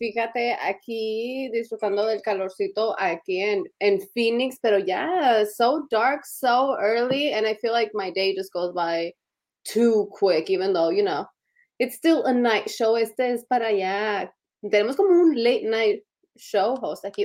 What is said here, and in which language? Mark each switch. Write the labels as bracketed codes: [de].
[es] Fíjate, aquí disfrutando del calorcito aquí en Phoenix. Pero ya, [en] so dark, so early. And I feel like my day just goes by too quick, even though, you know, it's still a night show. [es] Este es para allá. Tenemos como un [en] late night show host [es] aquí.